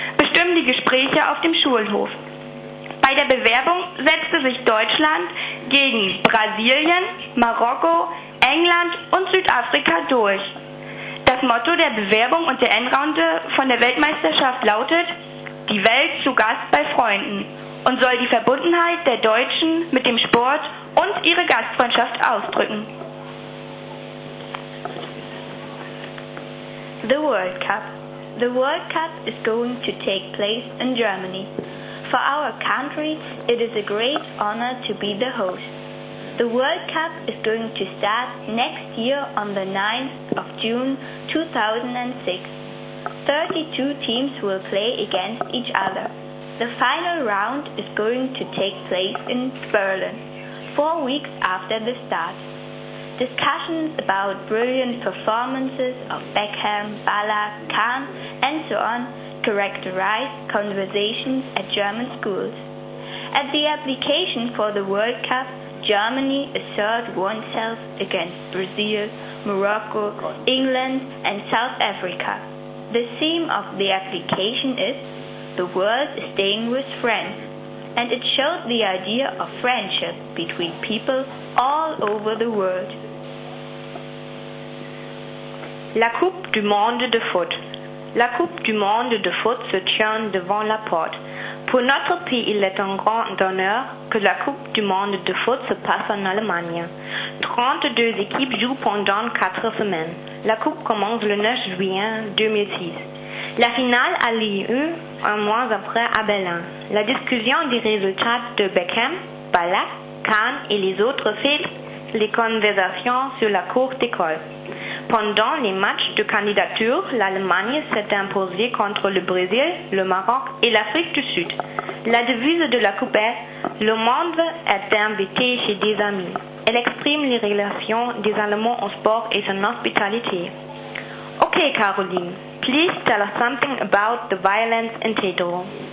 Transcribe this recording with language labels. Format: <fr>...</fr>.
<de>bestimmen die Gespräche auf dem Schulhof. Bei der Bewerbung setzte sich Deutschland gegen Brasilien, Marokko, England und Südafrika durch. Das Motto der Bewerbung und der Endrunde von der Weltmeisterschaft lautet: Die Welt zu Gast bei Freunden und soll die Verbundenheit der Deutschen mit dem Sport und ihre Gastfreundschaft ausdrücken.</de> <en>The World Cup. The World Cup is going to take place in Germany. For our country, it is a great honor to be the host. The World Cup is going to start next year on the 9th of June 2006. 32 teams will play against each other. The final round is going to take place in Berlin, 4 weeks after the start. Discussions about brilliant performances of Beckham, Ballack, Kahn, and so on characterize conversations at German schools. At the application for the World Cup, Germany asserted oneself against Brazil, Morocco, England, and South Africa. The theme of the application is, the world is staying with friends, and it showed the idea of friendship between people all over the world.</en> <fr>La Coupe du Monde de Foot. La Coupe du Monde de Foot se tient devant la porte. Pour notre pays, il est un grand honneur que la Coupe du Monde de Foot se passe en Allemagne. 32 équipes jouent pendant 4 semaines. La Coupe commence le 9 juillet 2006. La finale a lieu un mois après à Berlin. La discussion des résultats de Beckham, Ballack, Kahn et les autres filtre les conversations sur la cour d'école. Pendant les matchs de candidature, l'Allemagne s'est imposée contre le Brésil, le Maroc et l'Afrique du Sud. La devise de la Coupe est « Le monde est invité chez des amis ». Elle exprime les relations des Allemands au sport et son hospitalité.</fr> <en>Ok, Caroline, please tell us something about the violence in Tetro.</en>